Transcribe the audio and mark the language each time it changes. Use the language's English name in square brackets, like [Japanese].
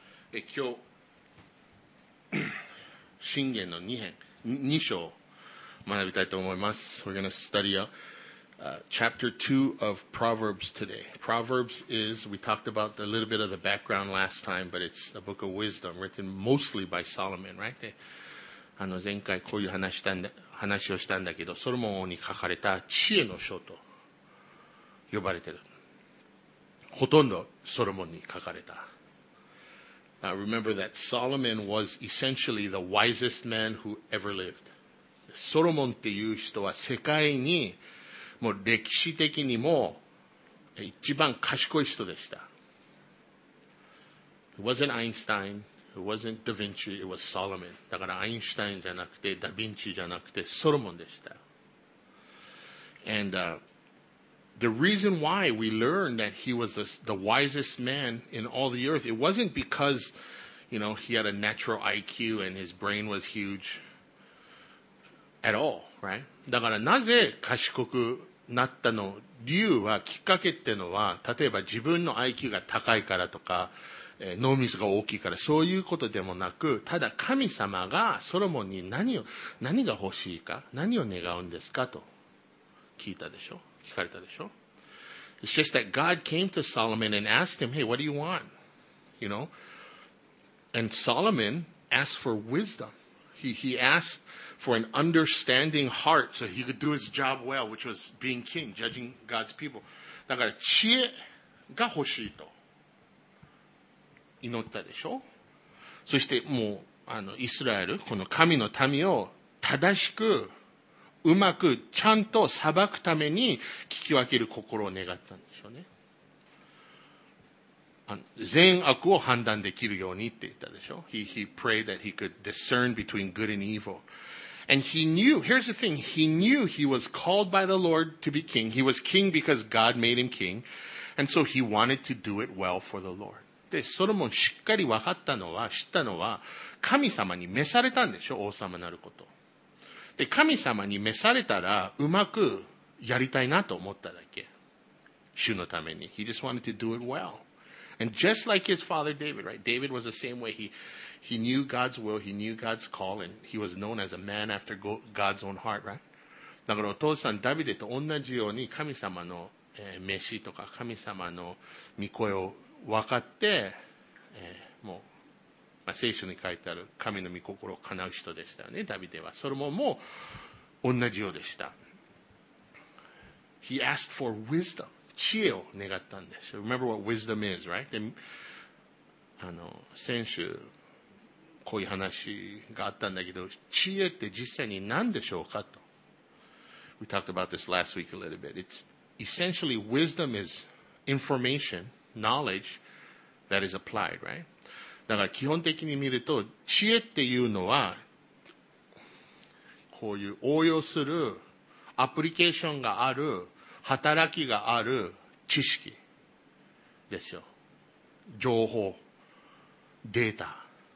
[Japanese] 今日箴言の2章学びたいと思います。 [English] We're going to study chapter 2 of Proverbs today. Proverbs is, we talked about a little bit of the background last time, but it's a book of wisdom written mostly by Solomon, right? [Japanese] で、前回こういう話をしたんだけど、ソロモンに書かれた知恵の書と呼ばれてる。ほとんどソロモンに書かれた。 [English] Now remember that Solomon was essentially the wisest man who ever lived. [Japanese] ソロモンっていう人は世界にもう歴史的にも一番賢い人でした。 [English] It wasn't Einstein, it wasn't Da Vinci, it was Solomon. [Japanese] だからアインシュタインじゃなくてダ・ヴィンチじゃなくてソロモンでした。 [English] And, the reason why we learn that he was the wisest man in all the earth, it wasn't because, you know, he had a natural IQ and his brain was huge at all, right? [Japanese] だからなぜ賢くなったの理由は、きっかけってのは、例えば自分の IQ が高いからとか、脳みそが大きいから、そういうことでもなく、ただ神様がソロモンに何が欲しいか、何を願うんですかと聞いたでしょ。聞かれたでしょ。 [English] It's just that God came to Solomon and asked him, hey, what do you want? You know? And Solomon asked for wisdom. He asked for an understanding heart so he could do his job well, which was being king, judging God's people. [Japanese] だから知恵が欲しいと祈ったでしょ。そしてもうイスラエル、この神の民を正しくうまくちゃんと裁くために聞き分ける心を願ったんでしょうね。善悪を判断できるようにって言ったでしょ。 [English] He prayed that he could discern between good and evil. And he knew, here's the thing, he knew he was called by the Lord to be king. He was king because God made him king. And so he wanted to do it well for the Lord. [Japanese] で、ソロモンしっかり分かったのは、知ったのは、神様に召されたんでしょ、王様なること。で、神様に召されたら、うまくやりたいなと思っただけ。主のために。 [English] He just wanted to do it well. And just like his father David, right? David was the same way. He knew God's will. He knew God's call. And he was known as a man after God's own heart, right? [Japanese] だからお父さんダビデと同じように神様の召しとか神様の御声を分かって、もう、まあ、聖書に書いてある神の御心を叶う人でしたよね、ダビデは。それももう同じようでした。 [English] He asked for wisdom. [Japanese] 知恵を願ったんです。 [English] Remember what wisdom is, right? [Japanese] で、先週、こういう話があったんだけど、知恵って実際に何でしょうかと。 [English] We talked about this last week a little bit. It's essentially wisdom is information, knowledge that is applied, right? [Japanese] だから基本的に見ると、知恵っていうのは、こういう応用するアプリケーションがある働きがある知識ですよ。情報、データ。